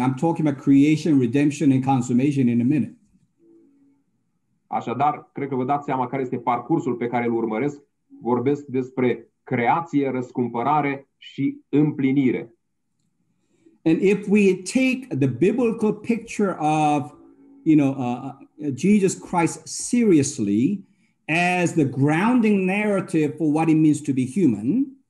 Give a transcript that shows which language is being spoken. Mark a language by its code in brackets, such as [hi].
[en] I'm talking about creation, redemption and consummation in a minute. [ro] Așadar, cred că vă dați seama care este parcursul pe care îl urmăresc. Vorbesc despre creație, răscumpărare și împlinire. [en] And if we take the biblical picture of, you know, Jesus Christ seriously as the grounding narrative for what it means to be human.